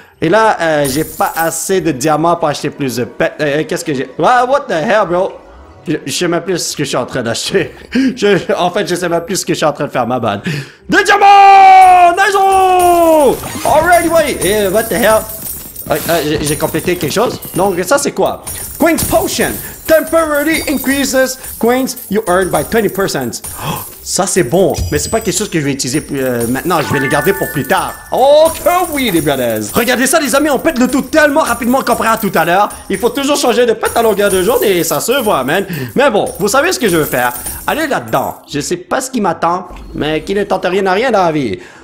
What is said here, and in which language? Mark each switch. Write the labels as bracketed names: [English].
[French] Et là, j'ai pas assez de diamants pour acheter plus de pets. Qu'est-ce que j'ai... [English] What the hell, bro? [French] Je sais même plus ce que je suis en train d'acheter. En fait, je sais même plus ce que je suis en train de faire, ma bad. Des diamants! [English] Nice! Alrighty, wait! What the hell? [French] J'ai complété quelque chose. Donc, ça, c'est quoi? Queen's Potion! [English] Temporarily increases coins you earn by 20%. [French] Oh, ça, c'est bon. Mais c'est pas quelque chose que je vais utiliser maintenant. Je vais les garder pour plus tard. Oh, que oui, les brothers. Regardez ça, les amis. On pète le tout tellement rapidement comparé à tout à l'heure. Il faut toujours changer de pète à longueur de journée. Et ça se voit, man. Mais bon, vous savez ce que je veux faire. Allez là-dedans. Je sais pas ce qui m'attend. Mais qui ne tente rien à rien dans la vie.